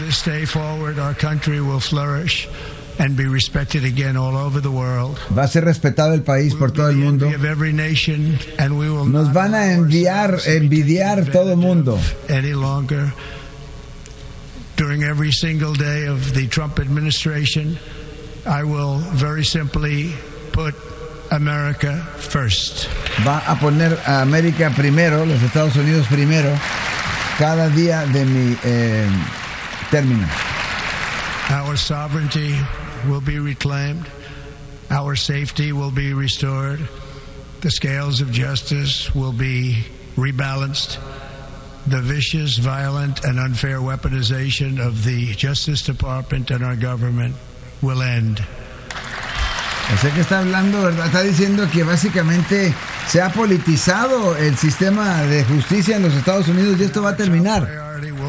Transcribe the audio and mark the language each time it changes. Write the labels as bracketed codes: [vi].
[en] This day forward, our country will flourish and be respected again all over the world. [es] Va a ser respetado el país por todo el mundo. [en] Of every nation, and we will. [es] Nos van a envidiar todo el mundo. [en] Any longer. During every single day of the Trump administration, I will very simply put America first. [es] Va a poner a América primero, los Estados Unidos primero. Cada día de mi término. [en] Our sovereignty will be reclaimed. Our safety will be restored. The scales of justice will be rebalanced. The vicious, violent, and unfair weaponization of the Justice Department and our government will end. [es] Sé que está hablando, ¿verdad? Está diciendo que básicamente se ha politizado el sistema de justicia en los Estados Unidos y esto va a terminar.